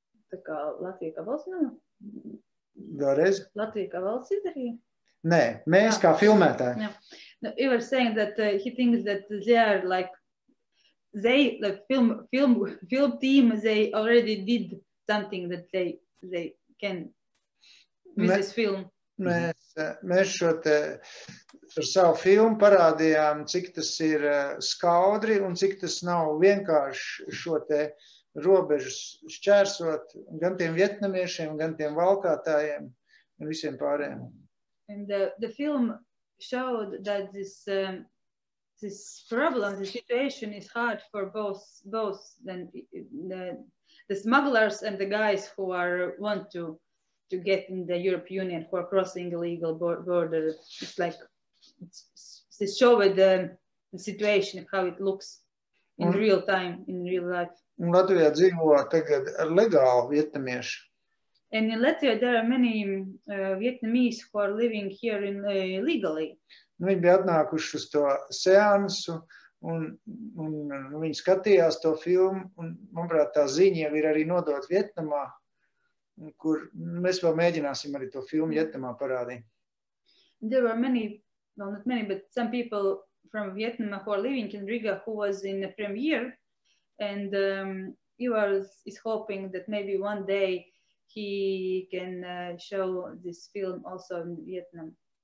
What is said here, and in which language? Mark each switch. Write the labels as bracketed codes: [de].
[lv] Tā kā Latvija kā valsts nav? Vēlreiz. Latvija kā valsts izdarīja? Nē, mēs kā filmētāji. [en] No, you were saying that he thinks that they are like, film team, they already did something that they can with this film. [lv] Mēs šo te ar savu filmu parādījām, cik tas ir skaudri un cik tas nav vienkārši šo te robežu šķērsot gan tiem vietnamiešiem, gan tiem valkātājiem un visiem pārējiem. [en] And the film showed that this problem, the situation is hard for both the smugglers and the guys who want to get in the European Union who are crossing illegal border. It's like, it's showing the situation, how it looks in real time, in real life. [lv] Latvijā dzīvo tagad legāli vietnamieši. [en] And in Latvia there are many Vietnamese who are living here illegally. [lv] Viņi bija atnākuši uz to seansu, un viņi skatījās to filmu, un manuprāt tā ziņa jau ir arī nodot Vietnamā. Kur mēs vēl mēģināsim arī to filmu Vietnamā parādīt. [en] There were many, well not many, but some people from Vietnam who are living in Riga who was in the premiere and Ivars is hoping that maybe one day he can show this film also in Vietnam.